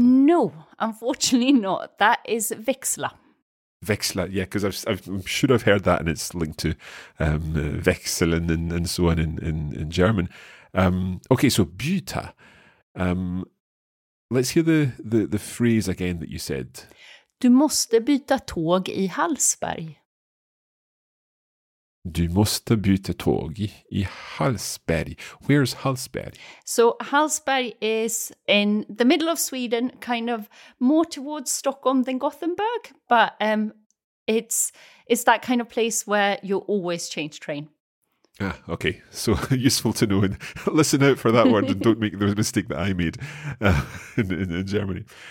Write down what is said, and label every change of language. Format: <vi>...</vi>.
<en>No, unfortunately not. That is växla. Växla, yeah, because I'm sure I've heard that and it's linked to växeln and so on in German. Okay, so byta. Let's hear the phrase again that you said.</en> <sv>Du måste byta tåg I Hallsberg. Du måste byta tåg I Hallsberg.</sv> <en>Where's Hallsberg? So Hallsberg is in the middle of Sweden, kind of more towards Stockholm than Gothenburg. But it's that kind of place where you always change train. Ah, okay. So useful to know. And listen out for that word and don't make the mistake that I made in Germany.</en>